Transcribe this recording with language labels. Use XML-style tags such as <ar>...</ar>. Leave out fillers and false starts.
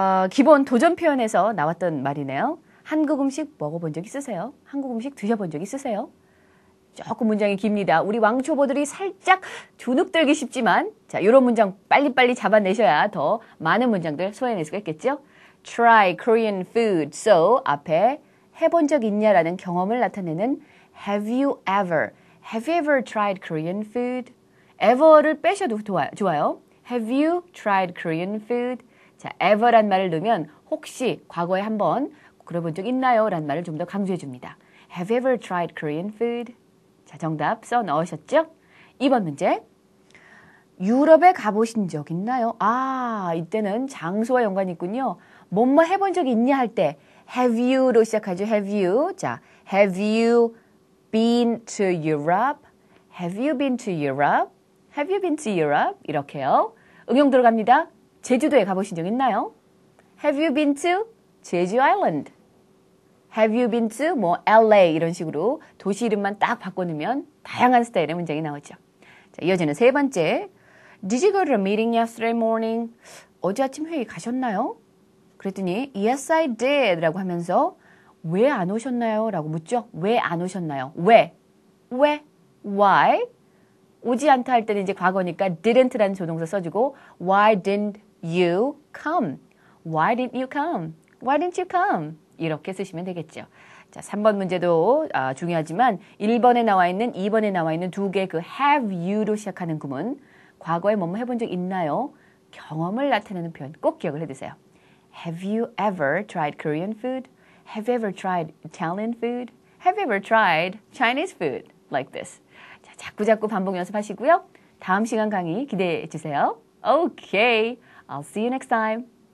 <ko>기본 도전 표현에서 나왔던 말이네요. 한국 음식 먹어본 적 있으세요? 한국 음식 드셔본 적 있으세요? 조금 문장이 깁니다. 우리 왕초보들이 살짝 주눅들기 쉽지만, 자, 요런 문장 빨리빨리 잡아내셔야 더 많은 문장들 소화해낼 수가 있겠죠?</ko> <en>Try Korean food. So,</en> <ko>앞에 해본 적 있냐라는 경험을 나타내는</ko> <en>Have you ever tried Korean food?</en> <ko>Ever를 빼셔도 좋아요.</ko> <en>Have you tried Korean food?</en> <ko>자, ever란 말을 넣으면, 혹시 과거에 한번 그래본 적 있나요? 라는 말을 좀더 강조해줍니다.</ko> <en>Have you ever tried Korean food?</en> <ko>자, 정답 써 넣으셨죠? 2번 문제. 유럽에 가보신 적 있나요? 아, 이때는 장소와 연관이 있군요. 뭐뭐 해본 적 있냐 할 때,</ko> <en>have you</en> <ko>로 시작하죠.</ko> <en>Have you. 자, have you been to Europe? Have you been to Europe? Have you been to Europe?</en> <ko>이렇게요. 응용 들어갑니다. 제주도에 가보신 적 있나요?</ko> <en>Have you been to 제주 아일랜드? Have you been to</en> <ko>뭐 LA 이런 식으로 도시 이름만 딱 바꿔놓으면 다양한 스타일의 문장이 나오죠. 자, 이어지는 세 번째.</ko> <en>Did you go to a meeting yesterday morning?</en> <ko>어제 아침 회의 가셨나요? 그랬더니</ko> <en>Yes, I did</en> <ko>라고 하면서 왜안 오셨나요? 라고 묻죠. 왜안 오셨나요? 왜? 왜?</ko> <en>Why?</en> <ko>오지 않다 할 때는 이제 과거니까 didn't라는 조동사 써주고</ko> <en>Why didn't you come? Why didn't you come? Why didn't you come?</en> <ko>이렇게 쓰시면 되겠죠. 자, 3번 문제도 중요하지만 1번에 나와 있는, 2번에 나와 있는 두 개의 그</ko> <en>have you</en> <ko>로 시작하는 구문, 과거에 뭐뭐 해본 적 있나요? 경험을 나타내는 표현 꼭 기억을 해두세요.</ko> <en>Have you ever tried Korean food? Have you ever tried Italian food? Have you ever tried Chinese food? Like this.</en> <ko>자, 자꾸 반복 연습하시고요. 다음 시간 강의 기대해 주세요.</ko> <en>Okay, I'll see you next time.</en>